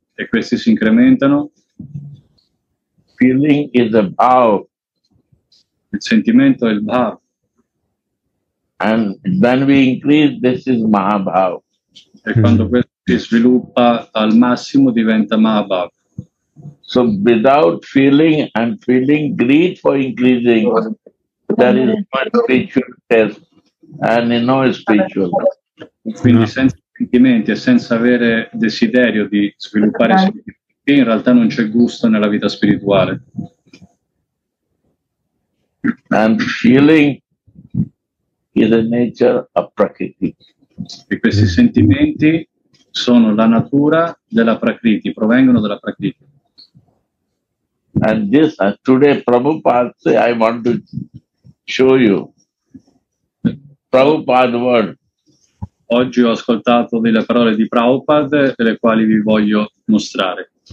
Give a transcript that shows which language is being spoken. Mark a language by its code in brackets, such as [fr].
[it] E questi si incrementano. [en] Feeling is the bow. [it] Il sentimento è il bow. [en] And then we increase, this is Mahabhav. [it] E quando questo si sviluppa al massimo diventa Mahabhav. [en] So without feeling and feeling greed for increasing, there is no spiritual test and no spiritual. [it] Quindi senza sentimenti e senza avere desiderio di sviluppare sentimenti, in realtà non c'è gusto nella vita spirituale. [en] And feeling is the nature of Prakriti. [it] E questi sentimenti sono la natura della Prakriti, provengono dalla Prakriti. [en] And this, today Prabhupada say, I want to show you Prabhupada word. [it] Oggi ho ascoltato delle parole di Prabhupada e le quali vi voglio mostrare.